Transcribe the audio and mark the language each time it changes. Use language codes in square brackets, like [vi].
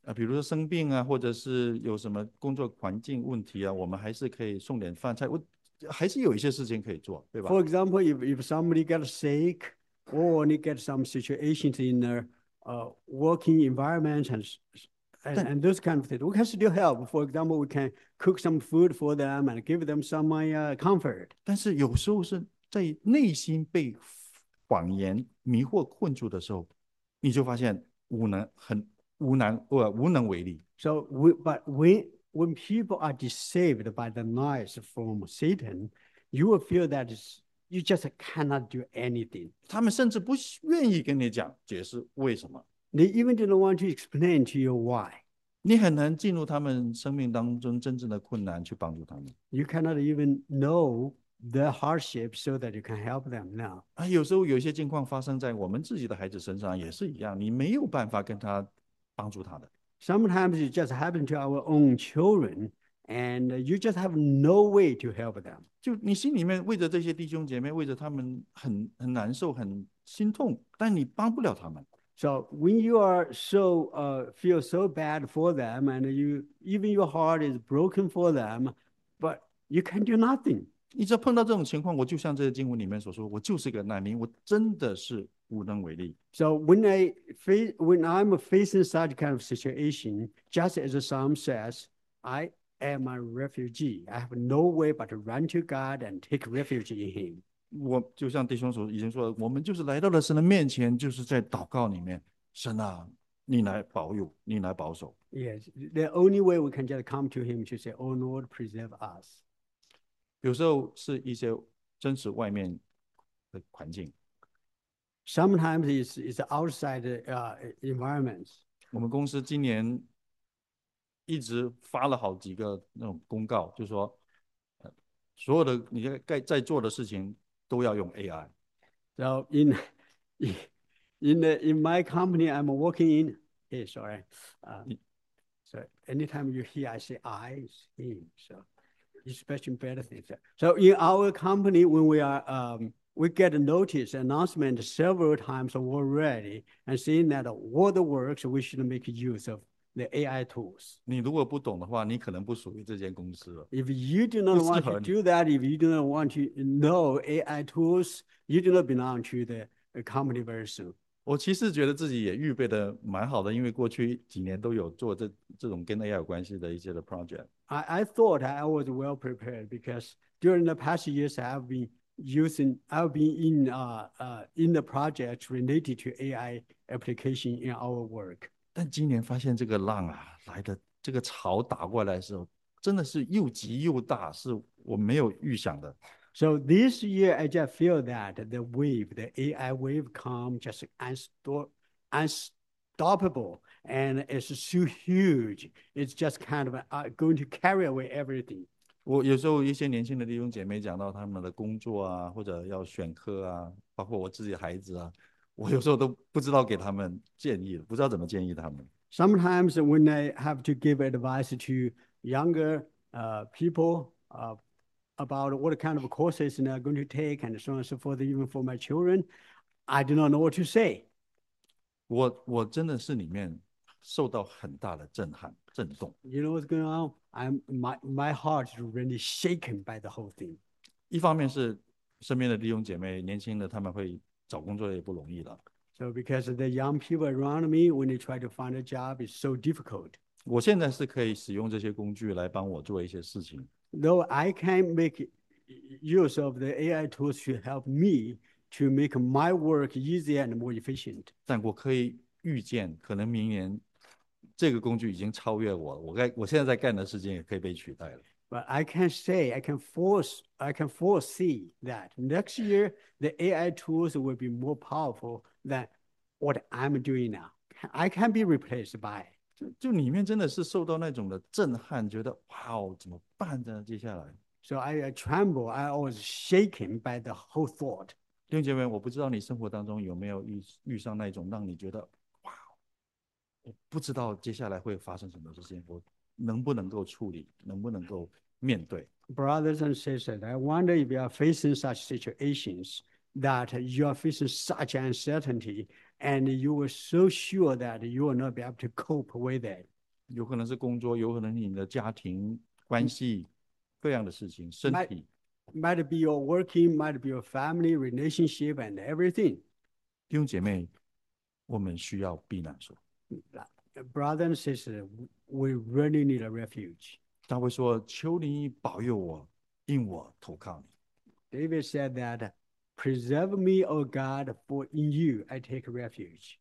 [zh] 比如说生病啊，或者是有什么工作环境问题啊，我们还是可以送点饭菜，我还是有一些事情可以做，对吧？ [en] For example, if somebody got sick or you get some situations in their working environment and those kind of things, we can still help. For example, we can cook some food for them and give them some comfort. [zh] 但是有时候是在内心被谎言迷惑困住的时候，你就发现无能为力。 [en] So we, but we, when people are deceived by the lies from Satan, you will feel that you just cannot do anything. [zh] 他们甚至不愿意跟你讲解释为什么。 [en] They even didn't want to explain to you why. [zh] 你很难进入他们生命当中真正的困难去帮助他们。 [en] You cannot even know the hardship so that you can help them now. [zh] 啊，有时候有些情况发生在我们自己的孩子身上也是一样，你没有办法跟他帮助他的。 [en] Sometimes it just happens to our own children, and you just have no way to help them. [zh] 就你心里面为着这些弟兄姐妹，为着他们很难受、很心痛，但你帮不了他们。 [en] So when you are so feel so bad for them, and you even your heart is broken for them, but you can do nothing. [zh] 一直碰到这种情况，我就像这些经文里面所说，我就是个难民，我真的是无能为力。 [en] So when I'm facing such kind of situation, just as the psalm says, I am a refugee. I have no way but to run to God and take refuge in Him. [zh] 我就像弟兄所已经说的，我们就是来到了神的面前，就是在祷告里面，神啊，你来保佑，你来保守。 [en] Yes, the only way we can just come to Him to say, "Oh Lord, preserve us." [zh] 有时候是一些真实外面的环境。 [en] Sometimes it's outside environments. [zh] 我们公司今年一直发了好几个那种公告，就说所有的你该在做的事情都要用 AI。 [en] So in my company I'm working in. Hey, sorry. So anytime you hear, I say I, it's him. So especially better things. So in our company, when we are we get a notice announcement several times already, and seeing that all the works, we should make use of the AI tools. [zh] 你如果不懂的话，你可能不属于这间公司了， [en] If you do [zh] 不 [en] not [zh] 适 [en] want to [zh] 合你。 [en] do that, if you do not want to know AI tools, you do not belong to the company very soon. [zh] 我其实觉得自己也预备的蛮好的，因为过去几年都有做这种跟 AI 有关系的一些的 project。 [en] I thought I was well prepared because during the past years I've been in the project related to AI application in our work. [zh] 但今年发现这个浪啊，来的这个潮打过来的时候，真的是又急又大，是我没有预想的。 [en] So this year I just feel that the AI wave come just unstoppable and it's so huge. It's just kind of going to carry away everything. [zh] 我有时候一些年轻的弟兄姐妹讲到他们的工作啊，或者要选课啊，包括我自己孩子啊，我有时候都不知道给他们建议，不知道怎么建议他们。 [en] Sometimes when I have to give advice to younger people about what kind of courses they're going to take and so on and so forth, even for my children, I do not know what to say. [zh] 我真的是里面受到很大的震动。 [en] You know what's going on? My heart is really shaken by the whole thing. [zh] 一方面是身边的弟兄姐妹，年轻的他们会找工作也不容易了。 [en] So, because the young people around me, when they try to find a job, is so difficult. [zh] 我现在是可以使用这些工具来帮我做一些事情。 [en] Though I can make use of the AI tools to help me to make my work easier and more efficient. [zh] 但我可以预见，可能明年这个工具已经超越我现在在干的事情也可以被取代了。 [en] But I can foresee that next year the AI tools will be more powerful than what I'm doing now. I can be replaced by [zh] 就里面真的是受到那种的震撼，觉得哇哦，怎么办呢？接下来， [en] So I tremble, I was shaken by the whole thought. [zh] 弟兄姐妹，我不知道你生活当中有没有遇上那种让你觉得哇哦，我不知道接下来会发生什么事情，我能不能够处理，能不能够面对？ [en] Brothers and sisters, I wonder if you are facing such situations that you are facing such uncertainty and you are so sure that you will not be able to cope with it. [zh] 有可能是工作，有可能你的家庭关系，各样的事情，身体。 [en] Might be your working, might be your family relationship and everything. [zh] 弟兄姐妹，我们需要避难所。 [en] Brother and sister, we really need a refuge. [zh] 大卫说：“求你保佑我，因我投靠你。 [en] David said that, preserve me, O God, for in you I take refuge.